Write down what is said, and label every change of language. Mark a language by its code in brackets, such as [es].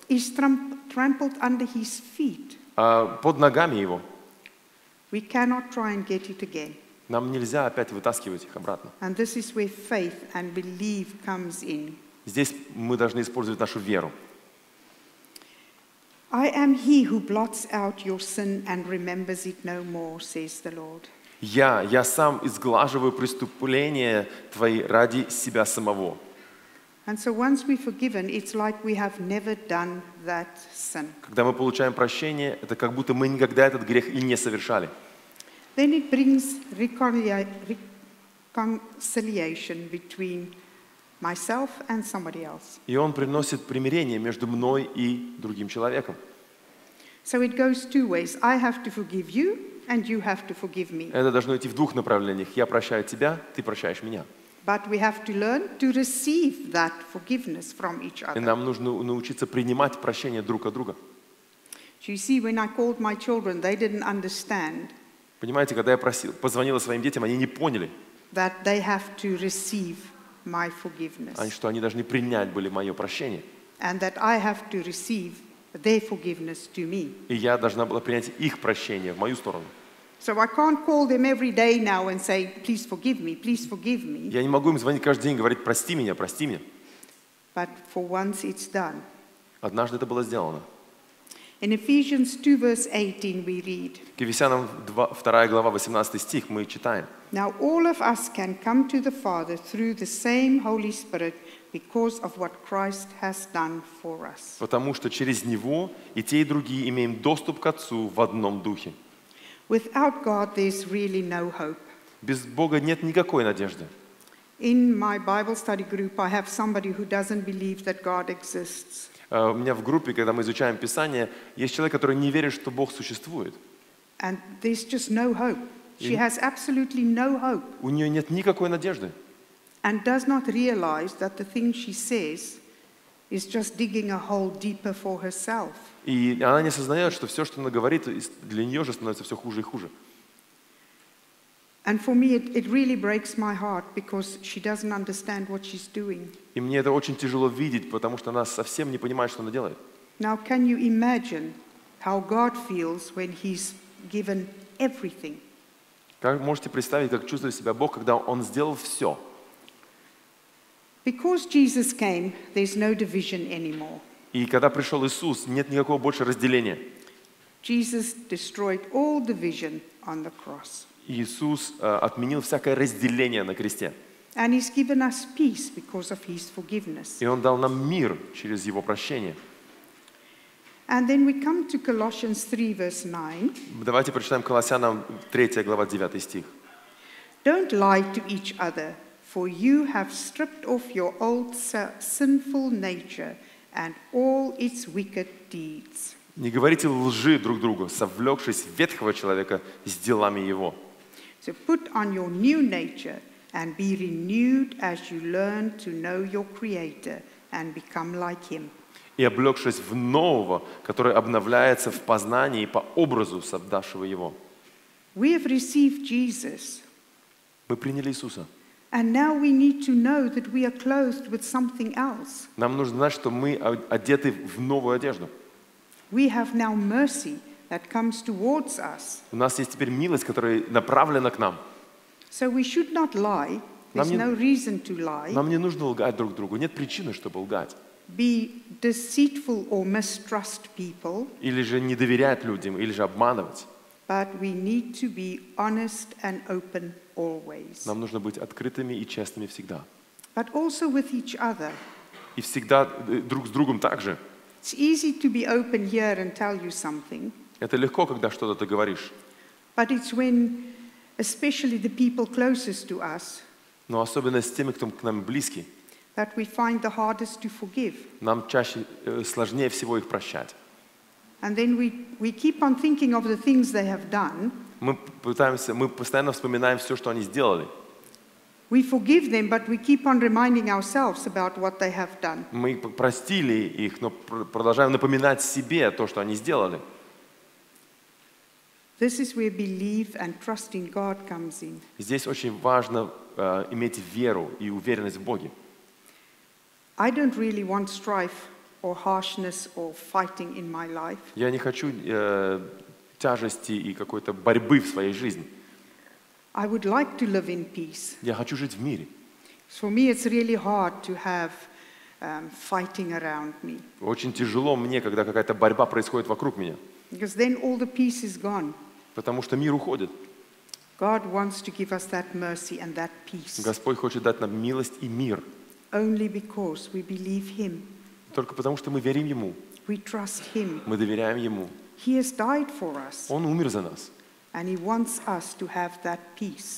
[en] Is trampled under His feet. [ru] Под ногами Его. [en] We cannot try and get it again. [ru] Нам нельзя опять вытаскивать их обратно. [en] And this is where faith and belief comes in. [ru] Здесь мы должны использовать нашу веру. [en] I am He who blots out your sin and remembers it no more, says the Lord. [ru] Я сам изглаживаю преступления твои ради себя самого. [en] And so once we're forgiven, it's like we have never done that sin. [ru] Когда мы получаем прощение, это как будто мы никогда этот грех и не совершали. [en] Then it brings reconciliation between myself and somebody else. [ru] И он приносит примирение между мной и другим человеком. [en] So it goes two ways. I have to forgive you. and you have to forgive me. [ru] Это должно идти в двух направлениях. Я прощаю тебя, ты прощаешь меня. [en] But we have to learn to receive that forgiveness from each other. [ru] И нам нужно научиться принимать прощение друг от друга. [en] You see, when I called my children, they didn't understand. [ru] Понимаете, когда я позвонила своим детям, они не поняли. [en] That they have to receive my forgiveness. [ru] Они что, они должны принять были мое прощение? [en] And that I have to receive their forgiveness to me. [ru] И я должна была принять их прощение в мою сторону. [en] So I can't call them every day now and say, please forgive me, please forgive me. [ru] Я не могу им звонить каждый день и говорить, прости меня, прости меня. [en] But for once it's done. [ru] Однажды это было сделано. [en] In Ephesians 2 verse 18 we read. [ru] К Ефесянам 2 глава 18 стих мы читаем. [en] Now all of us can come to the Father through the same Holy Spirit because of what Christ has done for us. [ru] Потому что через него и те и другие имеем доступ к Отцу в одном духе. [en] Without God there's really no hope. [ru] Без Бога нет никакой надежды. [en] In my Bible study group I have somebody who doesn't believe that God exists. [ru] У меня в группе, когда мы изучаем Писание, есть человек, который не верит, что Бог существует. [en] And there's just no hope. She has absolutely no hope. [ru] У нее нет никакой надежды. [en] And does not realize that the thing she says is just digging a hole deeper for herself. [ru] И она не осознает, что все, что она говорит, для нее же становится все хуже и хуже. [en] And for me, it really breaks my heart because she doesn't understand what she's doing. [ru] И мне это очень тяжело видеть, потому что она совсем не понимает, что она делает. [en] Now, can you imagine how God feels when He's given everything? [ru] Как можете представить, как чувствует себя Бог, когда Он сделал все? [en] Because Jesus came, there's no division anymore. [ru] И когда пришел Иисус, нет никакого больше разделения. [en] Jesus destroyed all division on the cross. [ru] Иисус отменил всякое разделение на кресте. [en] And he's given us peace because of his forgiveness. [ru] И Он дал нам мир через Его прощение. [en] And then we come to Colossians 3, verse 9. [ru] Давайте прочитаем Колоссянам 3 глава 9 стих. [en] Don't lie to each other, for you have stripped off your old sinful nature and all its wicked deeds. [ru] Не говорите лжи друг другу, совлекшись ветхого человека с делами его. [en] So put on your new nature and be renewed as you learn to know your Creator and become like Him. [ru] И облекшись в нового, который обновляется в познании по образу создавшего Его. [en] We have received Jesus. [ru] Мы приняли Иисуса. [en] And now we need to know that we are clothed with something else. [ru] Нам нужно знать, что мы одеты в новую одежду. [en] We have now mercy that comes towards us. [ru] У нас есть теперь милость, которая направлена к нам. [en] So we should not lie. There's no reason to lie. [ru] Нам не нужно лгать друг другу. Нет причины, чтобы лгать. [en] Be deceitful or mistrust people. [ru] Или же не доверять людям, или же обманывать. [en] But we need to be honest and open always. [ru] Нам нужно быть открытыми и честными всегда. [en] But also with each other. [ru] И всегда друг с другом также. [en] It's easy to be open here and tell you something. [ru] Это легко, когда что-то ты говоришь. [en] But it's when, especially the people closest to us. [ru] Но особенно с теми, кто к нам близки. [en] That we find the hardest to forgive. [ru] Нам чаще сложнее всего их прощать. [en] And then we keep on thinking of the things they have done. [ru] Мы постоянно вспоминаем все, что они сделали. [en] We forgive them, but we keep on reminding ourselves about what they have done. [ru] Мы простили их, но продолжаем напоминать себе то, что они сделали. [en] This is where belief and trust in God comes in. [ru] Здесь очень важно иметь веру и уверенность в Боге. [en] I don't really want strife or harshness or fighting in my life. [ru] Я не хочу тяжести и какой-то борьбы в своей жизни. [en] I would like to live in peace. [ru] Я хочу жить в мире. [en] For me, it's really hard to have fighting around me. [ru] Очень тяжело мне, когда какая-то борьба происходит вокруг меня. [en] Because then all the peace is gone. [ru] Потому что мир уходит. [en] God wants to give us that mercy and that peace. [ru] Господь хочет дать нам милость и мир. [en] Only because we believe Him. [ru] Только потому что мы верим Ему. [en] We trust Him. [ru] Мы доверяем Ему. [en] He has died for us. [ru] Он умер за нас. [en] And He wants us to have that peace.